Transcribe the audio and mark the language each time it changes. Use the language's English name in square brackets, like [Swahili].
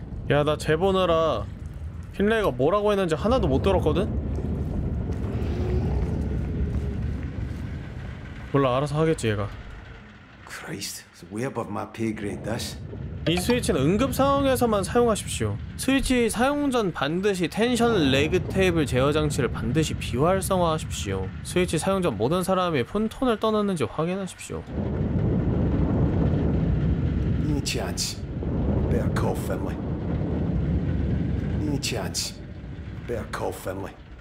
[Korean] 야, 나 재보느라 힐레이가 뭐라고 했는지 하나도 못 들었거든? 몰라, 알아서 하겠지 얘가. [English] Christ, it's way above my pay grade, this. [Korean] 이 스위치는 응급 상황에서만 사용하십시오. 스위치 사용 전 반드시 텐션 레그 테이블 제어 장치를 반드시 비활성화하십시오. 스위치 사용 전 모든 사람이 폰톤을 떠났는지 확인하십시오. 니 찬스. [English] Better call Finley. 니 찬스. Better call Finley.